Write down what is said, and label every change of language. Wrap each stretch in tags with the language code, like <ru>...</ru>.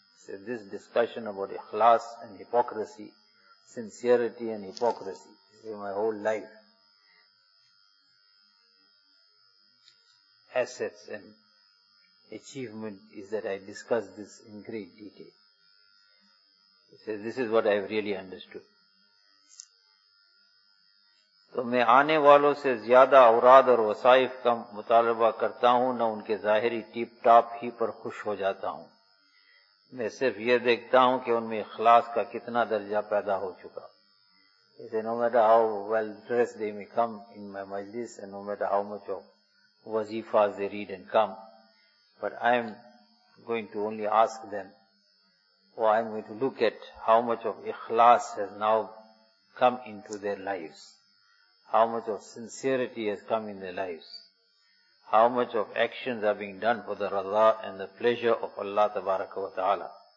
<en>So this discussion about ikhlas and hypocrisy, sincerity and hypocrisy, is my whole life assets and achievement is that I discuss this in great detail. He says, this is what I have really understood.</en> <ur>تو میں آنے والوں سے زیادہ اوراد اور وصائف کا مطالبہ کرتا ہوں, نہ ان کے ظاہری ٹیپ ٹاپ ہی پر خوش ہو جاتا ہوں. میں صرف یہ دیکھتا ہوں کہ ان میں اخلاص کا کتنا درجہ پیدا ہو چکا.</ur> <en>He said, no matter how well dressed they may come in my majlis and no matter how much of wazifas they read and come, but I am going to only ask them, or I am going to look at how much of ikhlas has now come into their lives, how much of sincerity has come in their lives, how much of actions are being done for the raza and the pleasure of Allah tabaraka wa ta'ala.</en>